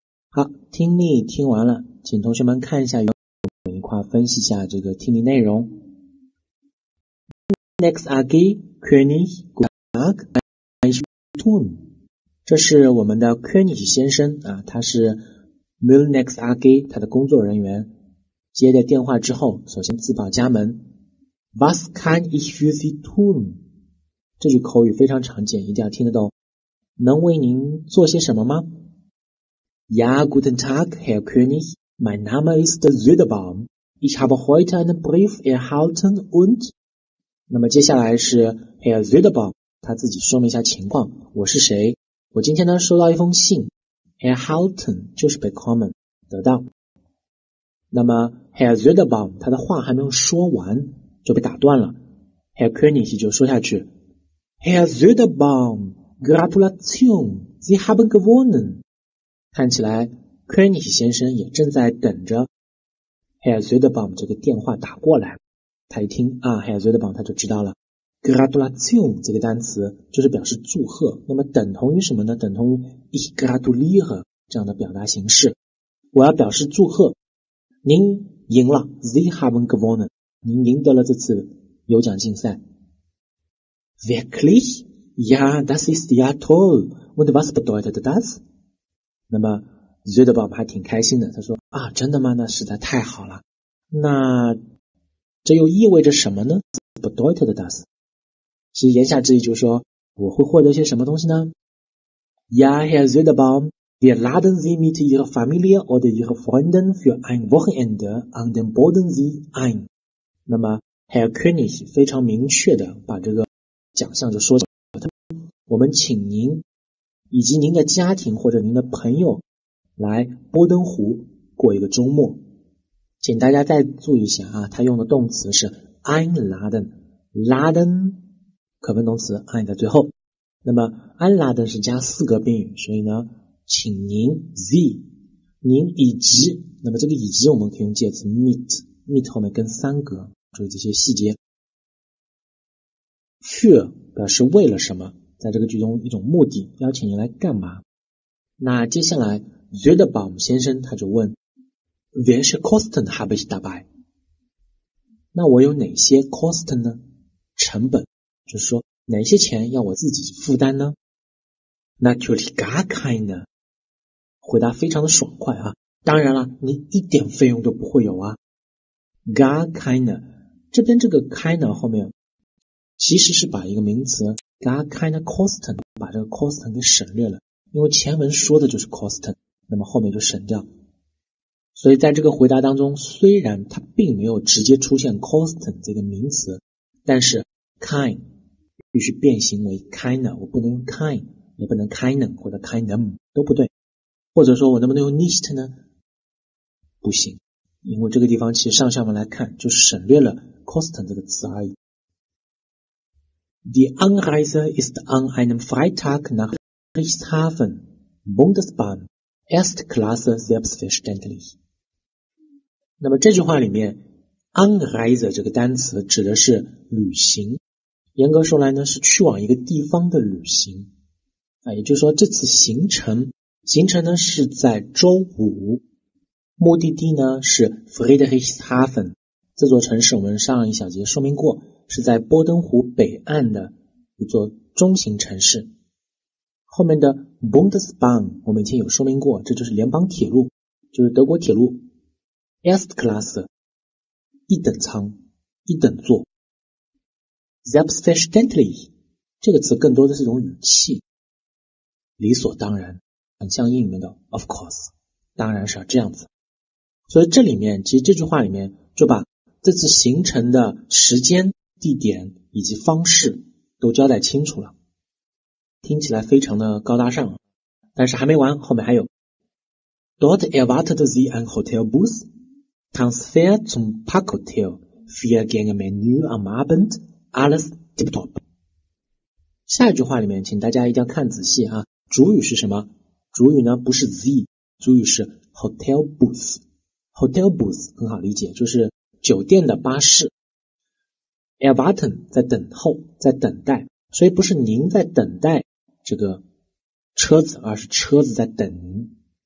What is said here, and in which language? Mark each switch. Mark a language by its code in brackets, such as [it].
[zh] 好，听力听完了，请同学们看一下，我们一块分析一下这个听力内容。 [de] Next AG König Gutag, ich tun. [zh] 这是我们的 König 先生啊，他是 Müllnex AG 他的工作人员，接了电话之后首先自报家门。 [de] Was kann ich für Sie tun? [zh] 这句口语非常常见，一定要听得懂。能为您做些什么吗？ [de] Ja, guten Tag, Herr König. Mein Name ist Söderbaum. Ich habe heute einen Brief erhalten und... [zh] 那么接下来是 Herr Söderbaum, 他自己说明一下情况，我是谁。我今天呢收到一封信 ，erhalten 就是 bekommen 得到。那么 Herr Söderbaum 他的话还没有说完就被打断了 ，Herr König 就说下去 ，Herr Söderbaum [de] Gratulation, Sie haben gewonnen。 [zh] 看起来 König 先生也正在等着 Herr Söderbaum 这个电话打过来。他一听啊 ，Herr Söderbaum 他就知道了。Gratulation 这个单词就是表示祝贺，那么等同于什么呢？等同于 [de] Ich gratuliere [zh] 这样的表达形式。我要表示祝贺，您赢了 [de] Sie haben gewonnen， [zh] 您赢得了这次有奖竞赛。 [de] Wirklich? Ja, das ist ja toll. Und was bedeutet das? [zh] 那么 Söderbaum 还挺开心的，他说啊，真的吗？那实在太好了。那这又意味着什么呢？ [de] Was bedeutet das? [zh] 其实言下之意就是说我会获得些什么东西呢 [de] Ja, Herr Söderbaum, wir laden Sie mit Ihrer Familie oder Ihren Freunden für ein Wochenende an den Bodensee ein. [zh] 那么 Herr König 非常明确的把这个奖项就说起了，他们我们请您以及您的家庭或者您的朋友来波登湖过一个周末。请大家再注意一下啊，他用的动词是 einladen 可分动词 ein 在最后，那么 einladen 是加四个宾语，所以呢请您 sie 您以及，那么这个以及我们可以用介词 mit 后面跟三格，注意这些细节。 für 表示为了什么，在这个句中一种目的，邀请您来干嘛。那接下来 Zedebaum 先生他就问 [de] Welche Kosten habe ich dabei? [zh] 那我有哪些 Kosten 呢？成本，就是说哪些钱要我自己负担呢？ [de] Natürlich gar keine. [zh] 回答非常的爽快啊！当然了，你一点费用都不会有啊。 [de] Gar keine. [zh] 这边这个 keine 后面其实是把一个名词 [de] gar keine Kosten [zh] 把这个 Kosten 给省略了，因为前文说的就是 Kosten， 那么后面就省掉。所以在这个回答当中，虽然它并没有直接出现 Kosten 这个名词，但是 kind 必须变形为 keine， 我不能用 kind， 也不能 keinen 或者 keinem 都不对，或者说我能不能用 nicht 呢？不行，因为这个地方其实上下文来看就省略了 Kosten 这个词而已。 [de] Die Anreise ist an einem Freitag nach Friedrichshafen Bundesbahn Erste Klasse selbstverständlich。 [zh] 那么这句话里面 Anreise 这个单词指的是旅行，严格说来呢是去往一个地方的旅行啊，也就是说这次行程呢是在周五，目的地呢是 Friedrichshafen， 这座城市我们上一小节说明过是在波登湖北岸的一座中型城市。后面的 Bundesbahn 我们以前有说明过，这就是联邦铁路，就是德国铁路。 Erste Klasse 一等舱一等座。 Selbstverständlich 这个词更多的是一种语气，理所当然，很像英语里面的 [en] of course， [zh] 当然是要这样子。所以这里面其实这句话里面就把这次行程的时间地点以及方式都交代清楚了，听起来非常的高大上，但是还没完，后面还有。 [de] Dort erwartet sie ein Hotelbus, Transfer zum Parkhotel, vier Gänge Menü am Abend, alles tipptopp。 [zh] 下一句话里面，请大家一定要看仔细啊，主语是什么？主语呢不是 sie， 主语是 Hotelbus。 Hotelbus 很好理解，就是酒店的巴士。 Erwarten 在等候，在等待。所以不是您在等待这个车子，而是车子在等您。